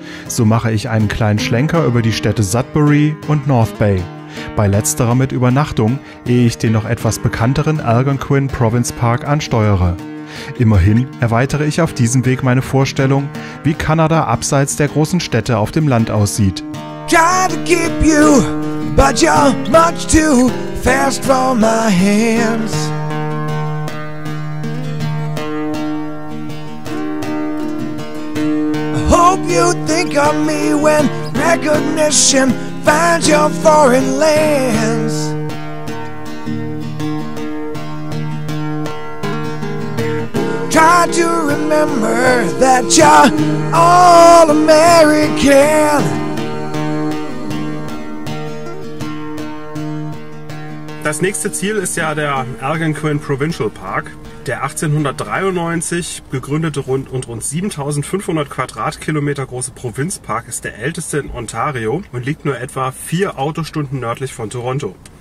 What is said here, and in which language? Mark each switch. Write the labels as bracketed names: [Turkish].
[German] So mache ich einen kleinen Schlenker über die Städte Sudbury und North Bay. Bei letzterer mit Übernachtung, ehe ich den noch etwas bekannteren Algonquin Province Park ansteuere. Immerhin erweitere ich auf diesem Weg meine Vorstellung, wie Kanada abseits der großen Städte auf dem Land aussieht. [English] Gotta keep you, but you're much too fast for my hands. I hope you think of me when recognition finds your foreign lands. Try to remember that you're all American. [German] Das nächste Ziel ist ja der Algonquin Provincial Park, der 1893 gegründete rund 7500 Quadratkilometer große Provinzpark ist der älteste in Ontario und liegt nur etwa 4 Autostunden nördlich von Toronto.